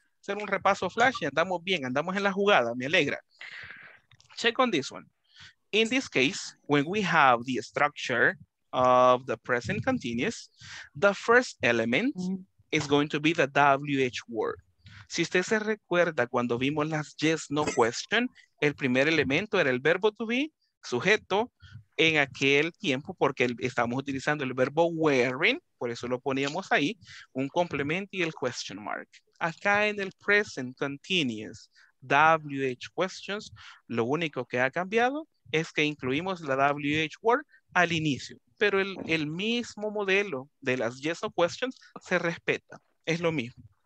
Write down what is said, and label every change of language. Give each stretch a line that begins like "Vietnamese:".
Spanish: Hacer un repaso flash y andamos bien, andamos en la jugada, me alegra.
English: Check on this one. In this case, when we have the structure of the present continuous, the first element is going to be the WH word.
Spanish: Si usted se recuerda cuando vimos las
English: yes, no question,
Spanish: el primer elemento era el verbo to be, sujeto, en aquel tiempo, porque estamos utilizando el verbo wearing, por eso lo poníamos ahí, un complemento y el question mark. Acá en el
English: present continuous WH questions,
Spanish: lo único que ha cambiado es que incluimos la WH word al inicio, pero el mismo modelo de las
English: yes or questions
Spanish: se respeta, es lo mismo.